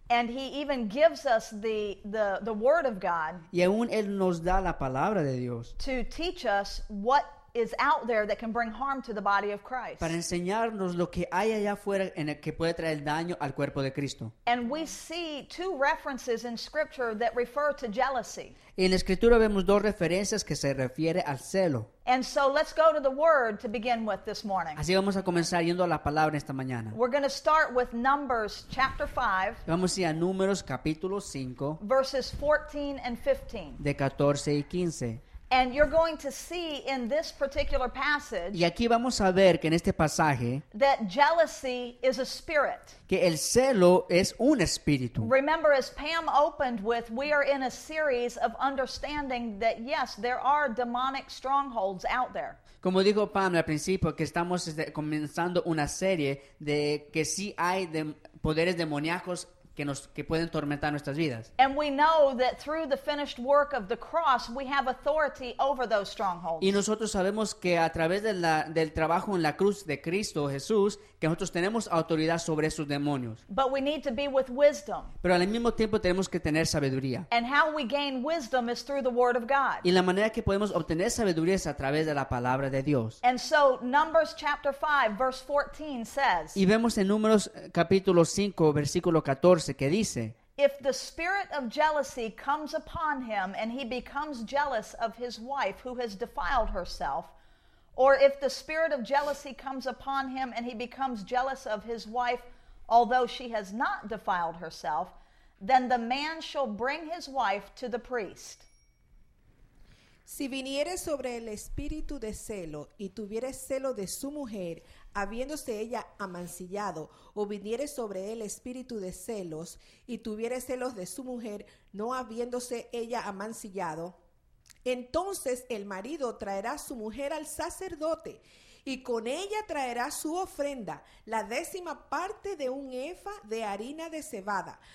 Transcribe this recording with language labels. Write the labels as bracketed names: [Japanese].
[English] And he even gives us the word of God. [Spanish] Y aún él nos da la palabra de Dios. [English] To teach us what is out there that can bring harm to the body of Christ. [Spanish] Para enseñarnos lo que hay allá afuera en el que puede traer daño al cuerpo de Cristo. [English] And we see two references in Scripture that refer to jealousy. [Spanish] Y en la Escritura vemos dos referencias que se refiere al celo. [English] And so let's go to the Word to begin with this morning. [Spanish] Así vamos a comenzar yendo a la palabra esta mañana. [English] We're going to start with Numbers chapter 5. [Spanish] Vamos a ir a Números capítulo 5. [English] Verses 14 and 15. [Spanish] De 14 y 15. [English] And you're going to see in this particular passage, [Spanish] y aquí vamos a ver que en este pasaje, [English] that jealousy is a spirit. [Spanish] Que el celo es un espíritu. [English] Remember, as Pam opened with, we are in a series of understanding that yes, there are demonic strongholds out there. [Spanish] Como dijo Pam al principio, que estamos comenzando una serie de que sí hay poderes demoníacos que pueden tormentar nuestras vidas. [English] And we know that through the finished work of the cross, we have authority over those strongholds. [Spanish] Y nosotros sabemos que a través del trabajo en la cruz de Cristo Jesús, que nosotros tenemos autoridad sobre esos demonios. [English] But we need to be with wisdom. [Spanish] Pero al mismo tiempo tenemos que tener sabiduría. [English] And how we gain wisdom is through the word of God. [Spanish] Y la manera que podemos obtener sabiduría es a través de la palabra de Dios. [English] And so Numbers chapter 5 verse 14 says. [Spanish] Y vemos en Números capítulo 5 versículo 14 que dice, [English] if the spirit of jealousy comes upon him and he becomes jealous of his wife who has defiled herself, or if the spirit of jealousy comes upon him and he becomes jealous of his wife although she has not defiled herself, then the man shall bring his wife to the priest. [Spanish] Si viniere sobre el espíritu de celo y tuviere celo de su mujer, habiéndose ella amancillado, o viniere sobre él espíritu de celos, y tuviere celos de su mujer, no habiéndose ella amancillado, entonces el marido traerá su mujer al sacerdote, y con ella traerá su ofrenda, la décima parte de un efa de harina de cebada.